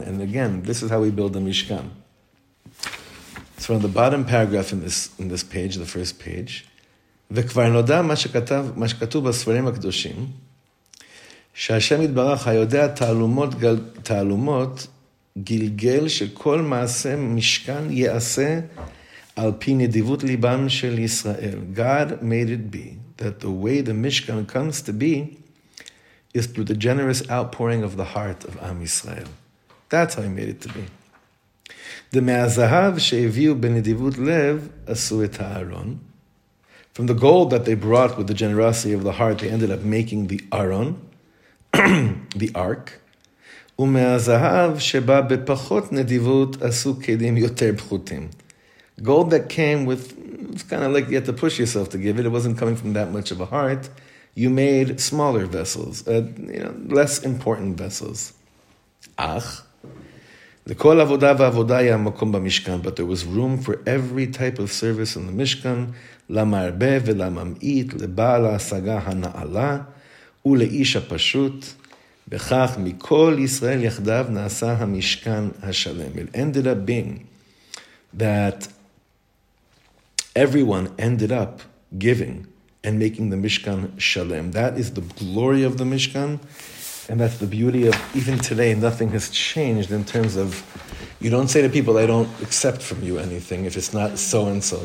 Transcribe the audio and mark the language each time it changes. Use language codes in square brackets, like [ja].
[en] And again, this is how we build the Mishkan. So on the bottom paragraph in this page, the first page, [he] V'kvar noda ma shekatuv basvarim hakdoshim, שהשם יתברך היודע תעלומות, תעלומות גלגל שכל מעשה משכן יעשה על פי נדיבות ליבם של ישראל. [en] God made it be that the way the Mishkan comes to be is through the generous outpouring of the heart of Am Yisrael. That's how he made it to be. [he] דמהזהב שהביאו בנדיבות לב עשו את הארון. [en] From the gold that they brought with the generosity of the heart, they ended up making the Aron. the ark. [he] ומהזהב שבא בפחות נדיבות עשו כלים יותר פחותים. [en] Gold that came with, it's kind of like you had to push yourself to give it. It wasn't coming from that much of a heart. You made smaller vessels, less important vessels. [he] אך, לכל עבודה ועבודה היה מקום במשכן, [en] but there was room for every type of service in the Mishkan, [he] למרבה ולממעיט, לבעל ההשגה הנעלה, ולאיש הפשוט, וכך מכל ישראל יחדיו נעשה המשכן השלם. [en] It ended up being that everyone ended up giving and making the Mishkan Shalem. That is the glory of the Mishkan, and that's the beauty of even today. Nothing has changed in terms of, you don't say to people, I don't accept from you anything if it's not so-and-so.